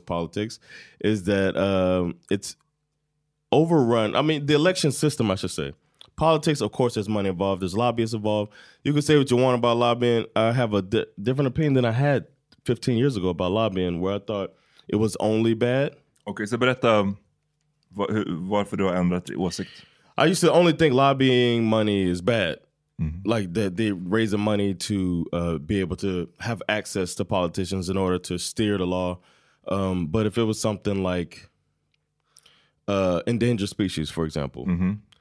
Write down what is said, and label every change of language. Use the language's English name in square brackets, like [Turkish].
[English] politics is that it's overrun. I mean, the election system, I should say. Politics, of course, there's money involved. There's lobbyists involved. You can say what you want about lobbying. I have a different opinion than I had 15 years ago about lobbying, where I thought it was only bad. Okay, so [Swedish] berätta varför du har ändrat åsikt. [English] I used to only think lobbying money is bad. Mm-hmm. Like that they raise the money to be able to have access to politicians in order to steer the law. But if it was something like endangered species, for example. Mm-hmm.